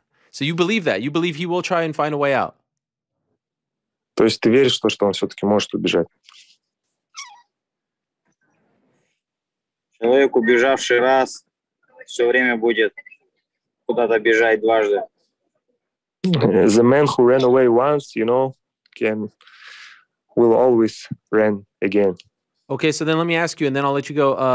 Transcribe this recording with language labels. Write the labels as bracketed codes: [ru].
[en] So you believe that? You believe he will try and find a way out? [ru] То есть ты веришь в то, что он все-таки может убежать? Человек, убежавший раз, все время будет куда-то бежать дважды. [en] The man who ran away once, you know, will always run again. Okay, so then let me ask you, and then I'll let you go.